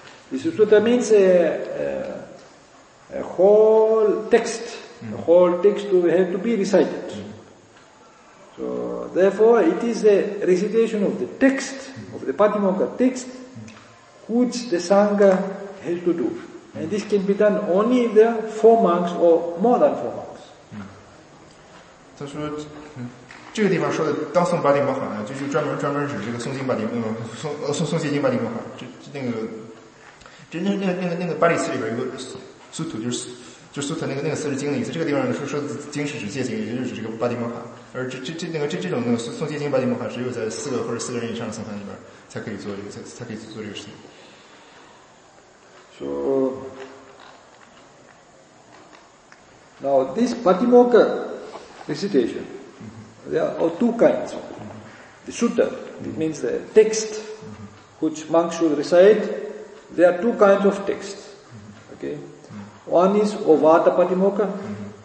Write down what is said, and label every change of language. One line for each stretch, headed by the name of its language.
English: This sutta means a whole text, a whole text to have to be recited. So therefore, it is the recitation of the text of the Patimokkha text. Which the Sangha has to do. And this can be done only if there are four monks or more than four monks.
Chinese: 他说这个地方说的当诵八地摩诃啊，就是专门指这个诵经八地摩诃，诵戒经八地摩诃，这那个巴利词里边有个苏土，就是苏土那个词是经的意思，这个地方说经是指戒经，也就是指这个八地摩诃。而这种诵戒经巴结摩诃只有在四个或者四个人以上的僧团里边才可以做这个才可以做这个事情。
English: So now this patimokkha recitation, there are two kinds. The sutta, it means the text which monks should recite. There are two kinds of texts. Okay, one is ovata patimokkha.